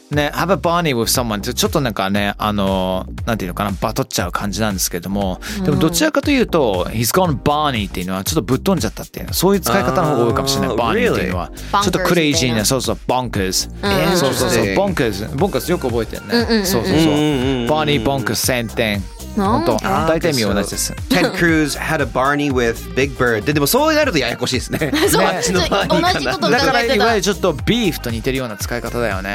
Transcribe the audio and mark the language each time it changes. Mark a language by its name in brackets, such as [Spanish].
[Japanese] ね、 [English] Have a Barney with someone [Japanese] ちょっとなんかね、あのなんていうのかな、バトっちゃう感じなんですけども、でもどちらかというと、うん、 [English] He's gone Barney [Japanese] っていうのはちょっとぶっ飛んじゃったっていう、そういう使い方の方が多いかもしれない。Barney っていうのは、 [English] really? [Japanese] ちょっとクレイジーな、そうそう、 Bonkers、うん、そうそうそう、 Bonkers Bonkers よく覚えてるね、うんうんうん、そうそうそう、 [English] Barney Bonkers same thing、 [Japanese] 本当大体見同じです。 [English] Ted Cruz had a Barney with Big Bird [Japanese] でもそうなるとややこしいですね。そう、あっちのバーニーかな、だからいわゆるちょっとビーフと似てるような使い方だよね。